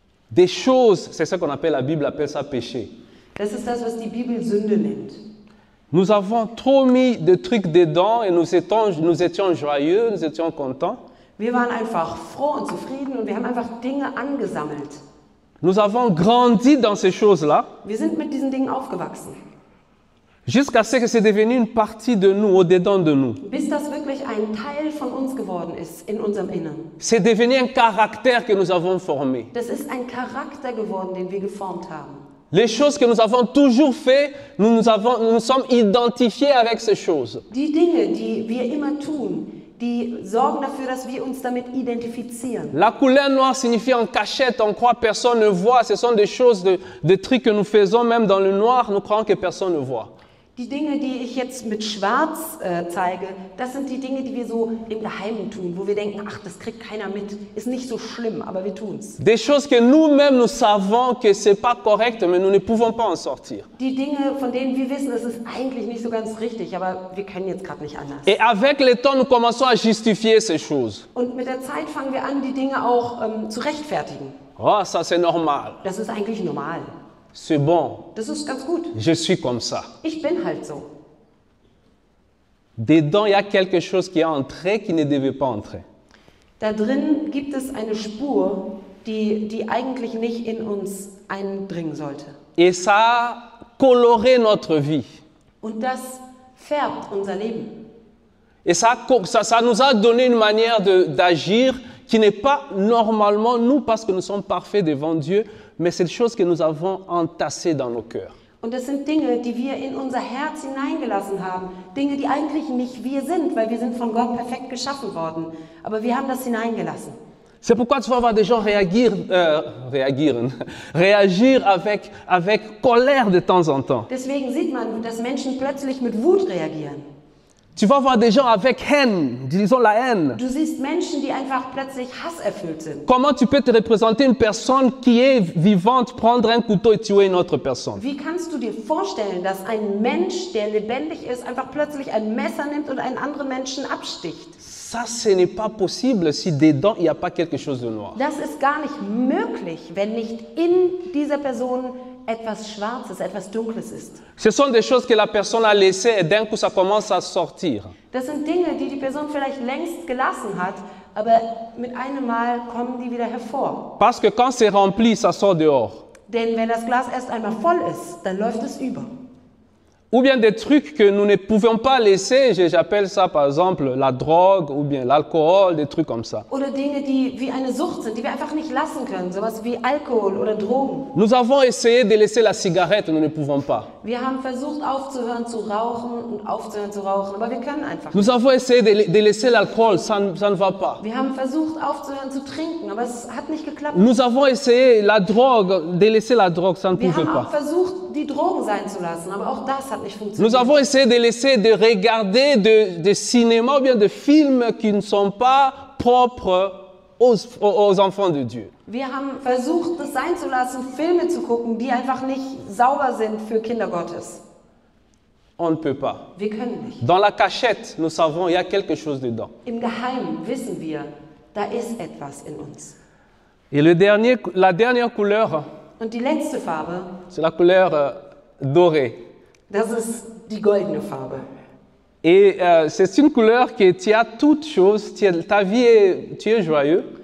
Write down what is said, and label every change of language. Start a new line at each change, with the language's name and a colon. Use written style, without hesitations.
French: Des choses, c'est ce qu'on appelle, la Bible appelle ça péché.
German: Das ist das, was die Bibel Sünde nennt.
French: Nous avons trop mis de trucs dedans et nous étions joyeux, nous étions contents.
German: Wir waren einfach froh und zufrieden und wir haben einfach Dinge angesammelt.
French: Nous avons grandi dans ces choses-là.
German: Wir sind mit diesen Dingen aufgewachsen.
French: Jusqu'à ce que c'est devenu une partie de nous, au-dedans de nous.
German: Bis das wirklich ein Teil von uns geworden ist, in unserem Inneren.
French: C'est devenu un caractère que nous avons formé.
German: Das ist ein Charakter geworden, den wir geformt haben.
French: Les choses que nous avons toujours fait, nous sommes identifiés avec ces choses.
German: Die Dinge, die wir immer tun, die sorgen dafür, dass wir uns damit identifizieren.
French: La couleur noire signifie en cachette, on croit personne ne voit. Ce sont des choses, des trucs que nous faisons même dans le noir, nous croyons que personne ne voit.
German: Die Dinge, die ich jetzt mit schwarz zeige, das sind die Dinge, die wir so im Geheimen tun, wo wir denken, ach, das kriegt keiner mit, ist nicht so schlimm, aber wir tun's.
French: Des choses que nous-mêmes nous savons que c'est pas correct, mais nous ne pouvons pas en sortir.
German: Die Dinge, von denen wir wissen, es ist eigentlich nicht so ganz richtig, aber wir können jetzt gerade nicht anders.
French: Et avec le temps, nous commençons à justifier ces choses.
German: Und mit der Zeit fangen wir an, die Dinge auch zu rechtfertigen.
French: Oh, ça c'est normal.
German: Das ist eigentlich normal.
French: C'est bon.
German: Das ist ganz gut.
French: Je suis comme ça.
German: Ich bin halt so.
French: Dedans, il y a quelque chose qui est entré qui ne devait pas entrer.
German: Da drin gibt es eine Spur, die eigentlich nicht in uns eindringen sollte.
French: Et ça a coloré notre vie.
German: Und das färbt unser Leben.
French: Et ça nous a donné une manière d'agir qui n'est pas normalement nous parce que nous sommes parfaits devant Dieu. Mais c'est des choses que nous avons entassées dans nos cœurs.
German: Und das sind Dinge, die wir in unser Herz hineingelassen haben. Dinge, die eigentlich nicht wir sind, weil wir sind von Gott perfekt geschaffen worden. Aber wir haben das hineingelassen.
French: C'est pourquoi tu vas voir des gens réagir avec colère de temps en temps.
German: Deswegen sieht man, dass Menschen plötzlich mit Wut reagieren.
French: Tu vas voir des gens avec haine, disons la haine.
German: Du siehst Menschen, die einfach plötzlich hasserfüllt sind.
French: Comment tu peux te représenter une personne qui est vivante prendre un couteau et tuer une autre personne?
German: Wie kannst du dir vorstellen, dass ein Mensch, der lebendig ist, einfach plötzlich ein Messer nimmt und einen anderen Menschen absticht?
French: Ça, ce n'est pas possible si dedans il y a pas quelque chose de noir.
German: Das ist gar nicht möglich, wenn nicht in dieser Person etwas Schwarzes, etwas Dunkles ist.
French: Ce sont des choses que la personne a laissé et d'un coup ça commence à sortir.
German: Das sind Dinge, die die Person vielleicht längst gelassen hat, aber mit einem Mal kommen die wieder hervor.
French: Parce que quand c'est rempli, ça sort dehors.
German: Denn wenn das Glas erst einmal voll ist, dann läuft es über.
French: Ou bien des trucs que nous ne pouvons pas laisser, j'appelle ça par exemple la drogue ou bien l'alcool, des trucs comme ça.
German: Oder Dinge, die wie eine Sucht sind, die wir einfach nicht lassen können, sowas wie Alkohol oder Drogen.
French: Nous avons essayé de laisser la cigarette, nous ne pouvons pas.
German: Wir haben versucht aufzuhören zu rauchen und aufzuhören zu rauchen, aber wir können einfach nicht.
French: Nous avons essayé de laisser l'alcool, ça ne va pas.
German: Wir haben versucht aufzuhören zu trinken, aber es hat nicht geklappt.
French: Nous avons essayé la drogue, de laisser la drogue, ça ne pouvait pas.
German: Wir haben versucht die Drogen sein zu lassen, aber auch das hat nicht funktioniert.
French: Nous avons essayé de laisser de regarder de cinéma ou bien de films qui ne sont pas propres aux enfants de Dieu.
German: Wir haben versucht, das sein zu lassen, Filme zu gucken, die einfach nicht sauber sind für Kinder Gottes.
French: On ne peut pas.
German: Wir können nicht.
French: Dans la cachette, nous savons, il y a quelque chose dedans.
German: Im Geheimen wissen wir, da ist etwas in uns.
French: Et la dernière couleur.
German: Und die letzte Farbe.
French: C'est la couleur dorée.
German: Das ist die goldene Farbe.
French: Et c'est une couleur que tu as toutes choses, ta vie est, tu es joyeux.